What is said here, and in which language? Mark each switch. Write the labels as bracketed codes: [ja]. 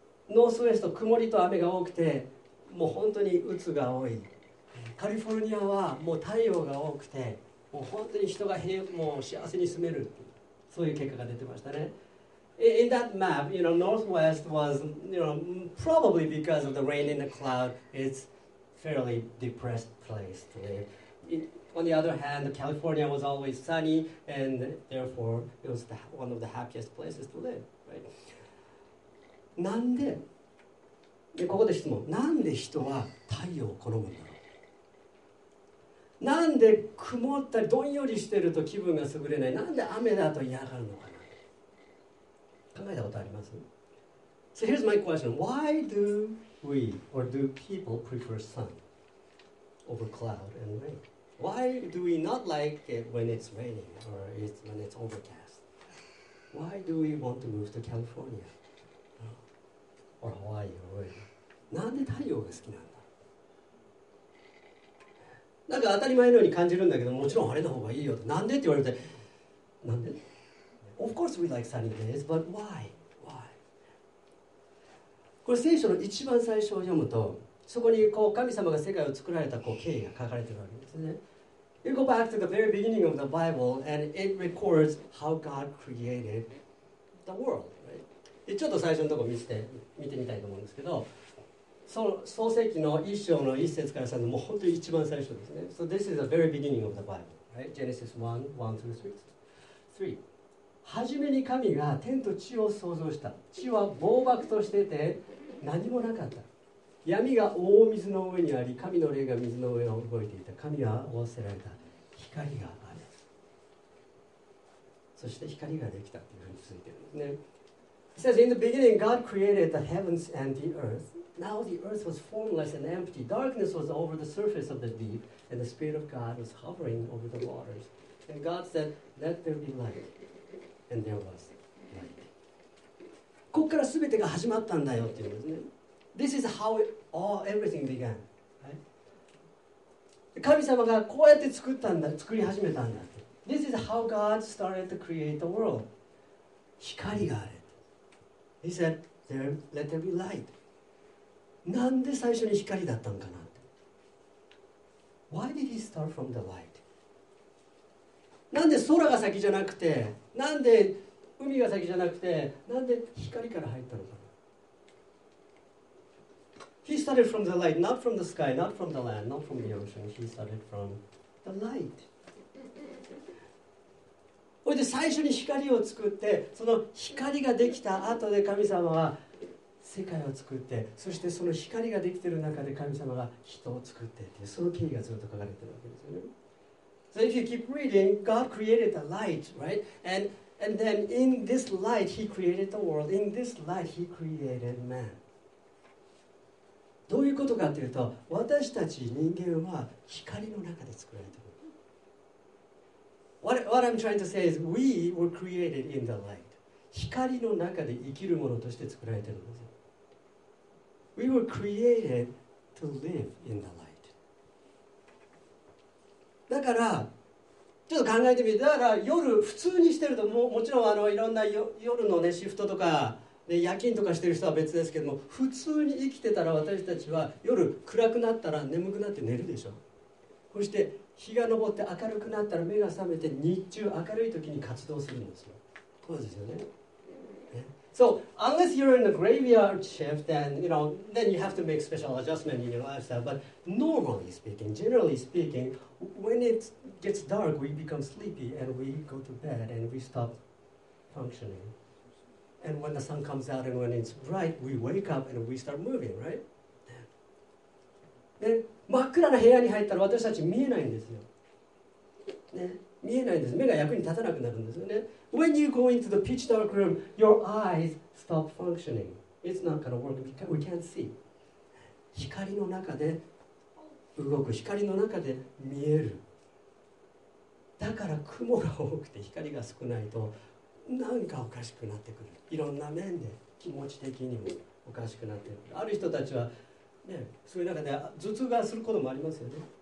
[ja] ノースウェスト、曇りと雨が多くて、もう本当に鬱が多い。カリフォルニアはもう太陽が多くて、もう本当に人がもう幸せに住める、そういう結果が出てましたね。 [en] In that map, you know, Northwest was, you know, probably because of the rain in the cloud, it's fairly depressed place to live. On the other hand, California was always sunny, and therefore it was one of the happiest places to live, right? [ja] なんで？で、ここで質問。なんで人は太陽を好むんだろう？なんで曇ったりどんよりしてると気分が優れない？なんで雨だと嫌がるのかな？考えたことあります？ [en] So here's my question. Why do we or do people prefer sun over cloud and rain? Why do we not like it when it's raining or it's when it's overcast? Why do we want to move to California? Or Hawaii, or [ja] なんで太陽が好きなんだ。なんか当たり前のように感じるんだけど、もちろん晴れの方がいいよと。なんでって言われて、なんで [en] ？Of course we like sunny days, but why? Why? [ja] これ聖書の一番最初を読むと、そこにこう神様が世界を作られたこう経緯が書かれてるわけですね。 [en] You go back to the very beginning of the Bible, and it records how God created the world. [ja] ちょっと最初のところ見てみたいと思うんですけど、創世記の一章の一節から3節、もう本当に一番最初ですね。 [en] So this is the very beginning of the Bible, right? Genesis 1:1-3. [ja] 初めに神が天と地を創造した。地は茫漠としてて何もなかった。闇が大水の上にあり、神の霊が水の上を動いていた。神は仰せられた。光がある。そして光ができたというふうに続いているんですね。 [en] It says, in the beginning, God created the heavens and the earth. Now the earth was formless and empty. Darkness was over the surface of the deep, and the Spirit of God was hovering over the waters. And God said, let there be light. And there was light. [ja] ここから全てが始まったんだよっていうんですね。 [en] This is how everything began. Right? [ja] 神様がこうやって作ったんだ、作り始めたんだって。 [en] This is how God started to create the world. [ja] 光がある。 [en] He said, there, let there be light. [ja] なんで最初に光だったのかなって。 [en] Why did he start from the light? [ja] なんで空が先じゃなくて、なんで海が先じゃなくて、なんで光から入ったのかな。 [en] He started from the light, not from the sky, not from the land, not from the ocean. He started from the light. それで最初に光を作って、その光ができた後で神様は世界を作って、そしてその光ができている中で神様が人を作ってっていう、その経緯がずっと書かれているわけですよね。 So if you keep reading, God created the light, right? And then in this light, he created the world. In this light, he created man. [ja] どういうことかというと、私たち人間は光の中で作られている。 [en] What I'm trying to say is we were created in the light. [ja] 光の中で生きるものとして作られているんです。 [en] We were created to live in the light. [ja] だから、ちょっと考えてみて、だから夜普通にしてると、もちろんいろんな夜の、ね、シフトとか、ね、夜勤とかしてる人は別ですけども、普通に生きてたら私たちは夜暗くなったら眠くなって寝るでしょう。そして日が昇って明るくなったら目が覚めて日中明るい時に活動するんですよ。そうですよね。 [en] So unless you're in a graveyard shift, then you have to make special adjustment in your lifestyle. But normally speaking, generally speaking, when it gets dark, we become sleepy and we go to bed and we stop functioning. And when the sun comes out and when it's bright, we wake up and we start moving, right? [ja] ね、真っ暗な部屋に入ったら私たち見えないんですよ、ね、見えないんです。目が役に立たなくなるんですよね。 [en] When you go into the pitch dark room, your eyes stop functioning. It's not gonna work because we can't see. [ja] 光の中で動く、光の中で見える。だから雲が多くて光が少ないとなんかおかしくなってくる。いろんな面で気持ち的にもおかしくなってくる。ある人たちはね、そういう中で頭痛がすることもありますよね。